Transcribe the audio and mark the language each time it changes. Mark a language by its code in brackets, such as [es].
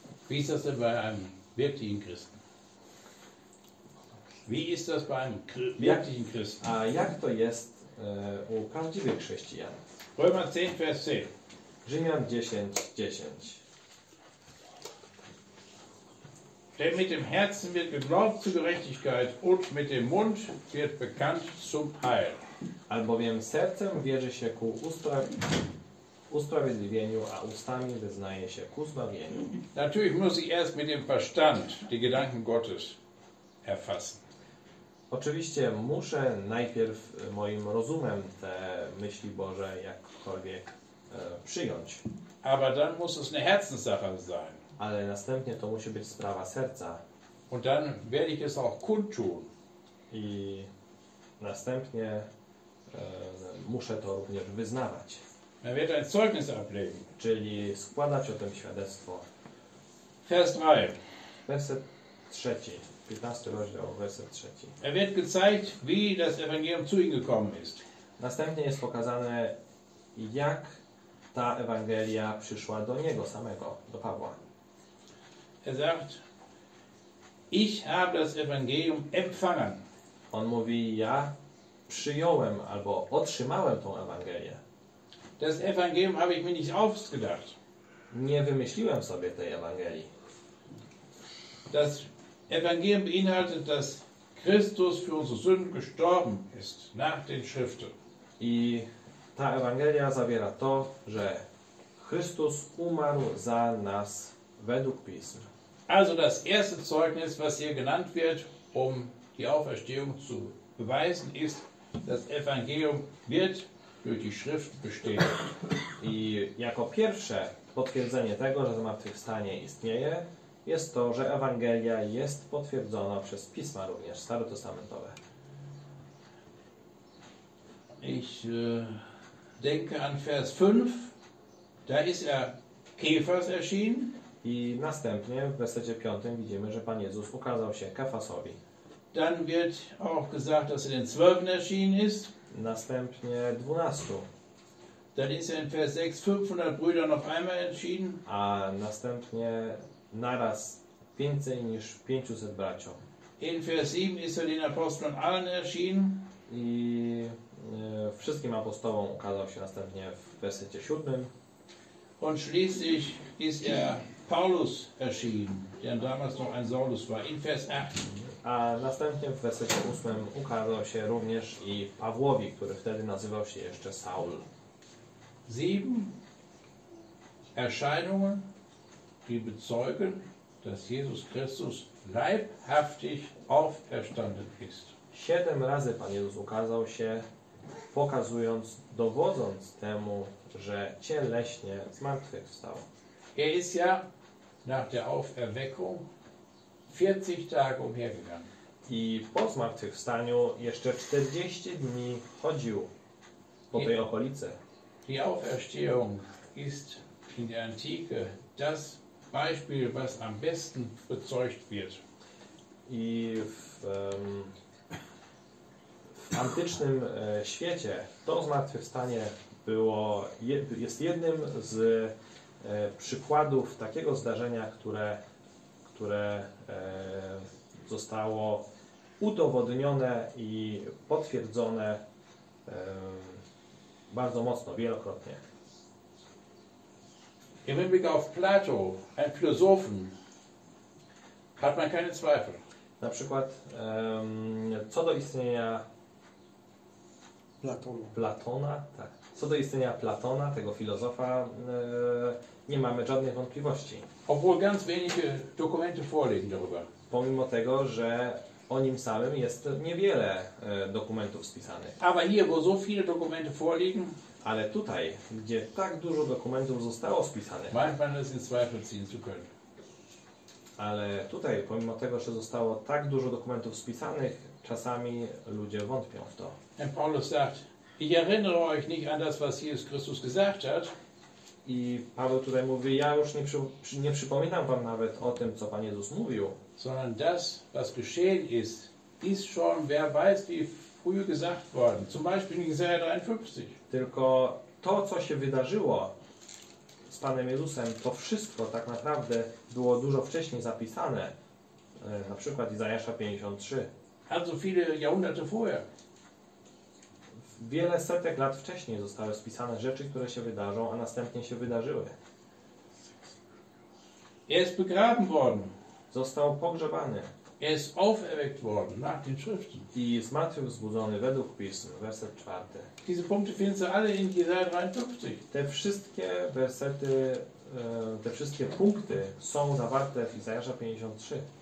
[de] Wie ist das denn bei einem wirklichen Christen? Wie ist das bei einem wirklichen Christen? [pl] A jak to jest u prawdziwych chrześcijan? [de] Römer 10, Vers 10. [pl] Rzymian 10, 10. [de] Denn mit dem Herzen wird geglaubt zur Gerechtigkeit und mit dem Mund wird bekannt zum Heil. [pl] Albowiem sercem wierzy się ku usprawiedliwieniu, a ustami wyznaje się ku zbawieniu. [de] Natürlich muss ich erst mit dem Verstand die Gedanken Gottes erfassen. [pl] Oczywiście muszę najpierw moim rozumem te myśli Boże jakkolwiek przyjąć. [de] Aber dann muss es eine Herzenssache sein. [pl] Ale następnie to musi być sprawa serca. [de] Und dann werde ich es auch kundtun. [pl] I następnie muszę to również wyznawać. [de] Man wird ein Zeugnis ablegen. [pl] Czyli składać o tym świadectwo. [de] Vers 3. [pl] Werset 3. 15 rozdział, werset 3. [de] Er wird gezeigt, wie das Evangelium zu ihm gekommen ist. [pl] Następnie jest pokazane, jak ta Ewangelia przyszła do niego samego, do Pawła. [de] Er sagt, ich habe das Evangelium empfangen. [pl] On mówi, ja przyjąłem albo otrzymałem tą Ewangelię. [de] Das Evangelium habe ich mir nicht ausgedacht. [pl] Nie wymyśliłem sobie tej Ewangelii. [de] Das Evangelium beinhaltet, dass Christus für unsere Sünden gestorben ist, nach den Schriften. [pl] I ta Ewangelia zawiera to, że Chrystus umarł za nas według Pism. [de] Also das erste Zeugnis, was hier genannt wird, um die Auferstehung zu beweisen, ist, das Evangelium wird durch die Schrift bestätigt. [pl] I jako pierwsze potwierdzenie tego, że zmartwychwstanie istnieje, jest to, że Ewangelia jest potwierdzona przez Pisma również, starotestamentowe. [de] Ich denke an Vers 5, da ist er Kephas erschienen. [pl] I następnie w wersecie 5 widzimy, że Pan Jezus ukazał się Kefasowi. [de] Dann wird auch gesagt, dass er den Zwölfen erschienen ist. [pl] Następnie 12. [de] Dann ist er in Vers 6 500 Brüder noch einmal erschienen. [pl] A następnie naraz więcej niż 500 braciom. [de] In Vers 7 ist er den Aposteln allen erschienen. [pl] I wszystkim apostołom ukazał się następnie w wersecie 7. [de] Und schließlich ist er Paulus erschienen, der damals noch ein Saulus war, in Vers 8. [pl] A następnie w wersecie 8 ukazał się również i Pawłowi, który wtedy nazywał się jeszcze Saul. [de] 7 Erscheinungen, die bezeugen, dass Jesus Christus leibhaftig auferstanden ist. [pl] 7 razy Pan Jezus ukazał się, pokazując, dowodząc temu, że cieleśnie zmartwychwstał. [de] Er ist ja nach der Auferweckung 40 Tage umhergegangen. [pl] I po zmartwychwstaniu jeszcze 40 dni chodził po tej okolicy. [de] Die Auferstehung ist in der Antike das Beispiel, was am besten bezeugt wird. [pl] I w antycznym świecie to zmartwychwstanie było, jest jednym z przykładów takiego zdarzenia, które zostało udowodnione i potwierdzone bardzo mocno, wielokrotnie. [de] Im Hinblick auf Plato, ein Philosophen, hat man keine Zweifel. [pl] Na przykład co do istnienia Platona, tak. Co do istnienia Platona, tego filozofa, nie mamy żadnych wątpliwości. [de] Obwohl ganz wenige Dokumente vorliegen darüber. [pl] Pomimo tego, że o nim samym jest niewiele dokumentów spisanych. [de] Aber hier, wo so viele Dokumente vorliegen. [pl] Ale tutaj, gdzie tak dużo dokumentów zostało spisanych. [de] Manchmal ist in Zweifel ziehen zu können. [pl] Ale tutaj, pomimo tego, że zostało tak dużo dokumentów spisanych, czasami ludzie wątpią w to. [de] And Paulus sagt, ich erinnere euch nicht an das, was Jesus Christus gesagt hat. [pl] I Paweł tutaj mówi, ja już nie przypominam wam nawet o tym, co Pan Jezus mówił. [de] Sondern das, was geschehen ist, ist schon, wer weiß, wie früh gesagt worden. Zum Beispiel in Jesaja 53. [pl] Tylko to, co się wydarzyło z Panem Jezusem, to wszystko tak naprawdę było dużo wcześniej zapisane. Na przykład Izajasza 53. [de] Also viele Jahrhunderte vorher. [pl] Wiele setek lat wcześniej zostały spisane rzeczy, które się wydarzą, a następnie się wydarzyły. [de] Er ist begraben worden. [pl] Został pogrzebany. [de] Er ist auferweckt worden nach den Schriften. [pl] I zmartwychwzbudzony według pism, werset 4. [de] Diese Punkte finden Sie alle in Jesaja 53. [pl] Te wszystkie wersety, te wszystkie punkty są zawarte w Izajasza 53.